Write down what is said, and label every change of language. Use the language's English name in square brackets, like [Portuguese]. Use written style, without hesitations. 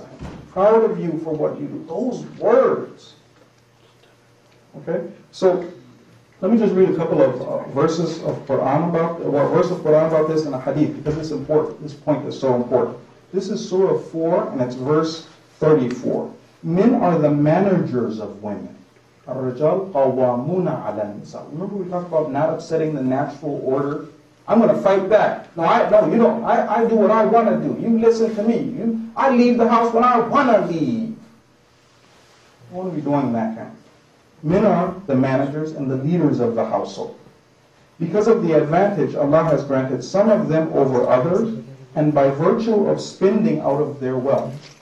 [English] I'm proud of you for what you do. Those words. Okay? So, let me just read a couple of verses of Quran about, well, a verse of Quran about this and a hadith, because it's important. This point is so important. This is Surah 4, and it's verse 34. Men are the managers of women. [Arabic] الرجال قوامون على النساء. [English] Remember we talked about not upsetting the natural order? I'm going to fight back. I do what I want to do. You listen to me. I leave the house when I want to leave. I want to be doing that kind. Men are the managers and the leaders of the household. Because of the advantage Allah has granted some of them over others, and by virtue of spending out of their wealth.